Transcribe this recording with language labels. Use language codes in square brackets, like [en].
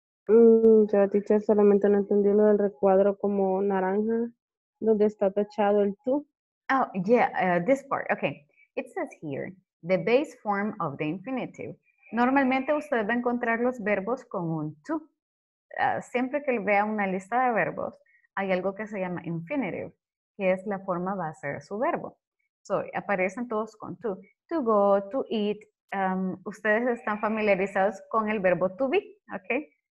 [es] Yo, teacher, solamente no entendí lo del recuadro como naranja. ¿Dónde está tachado el tú? [en] Oh, yeah, this part. Okay. It says here, the base form of the infinitive. [es] Normalmente usted va a encontrar los verbos con un to. Siempre que vea una lista de verbos, hay algo que se llama infinitive, que es la forma base de su verbo. So, aparecen todos con to. To go, to eat. Ustedes están familiarizados con el verbo to be, okay?